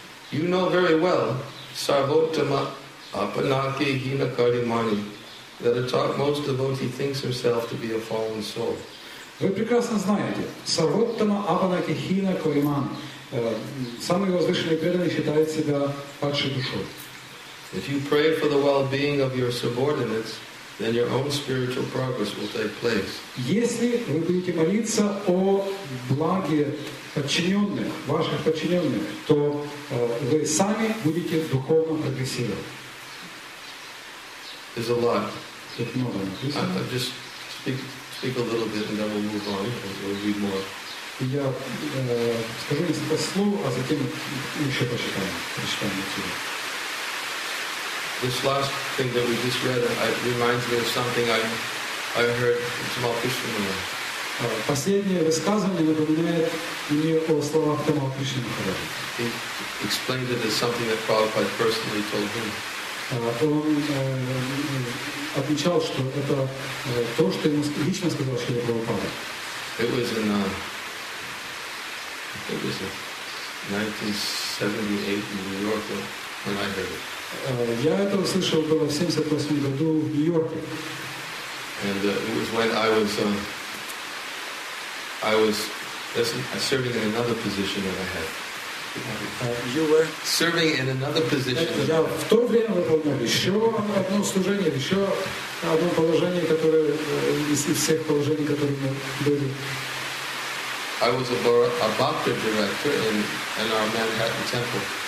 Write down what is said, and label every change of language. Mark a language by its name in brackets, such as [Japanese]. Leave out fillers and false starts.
[English] You know very well Sarvottama Apanaki Hinakarimani that a topmost devotee thinks himself to be a fallen soul. [Russian] Вы прекрасно знаете Sarvottama Apanaki Hinakarimani, самый возвышенный преданный считает себя падшей душой. [English] If you pray for the well-being of your subordinates, then your own spiritual progress will take place. [Russian] Если вы будете молиться о благе подчиненных, ваших подчиненных, то вы сами будете духовно прогрессировать. [English] There's a lot. [Russian] Тут много написано. [English] I'll just speak a little bit and then we'll move on and we'll read more. [Russian] Я скажу несколько слов, а затем еще прочитаем. [English] this last thing that we just read reminds me of something I heard from Krishna. [Russian] Последнее высказывание напоминает мне о словах Тома Кришнамурти. [English] He explained it as something that Prabhupada personally told him. [Russian] Он отмечал, что это то, что ему лично сказал Шрила Прабхупада. [English] It was in 1978 in New York when I heard it. [Russian] Я это услышал было в 78 году в Нью-Йорке. [English] And it was when I was serving in another position that I had. You were serving in another position. [Russian] Я в то время выполнял еще одно положение, которое из всех положений, которые у меня были. [English] I was a bhakti director in our Manhattan temple.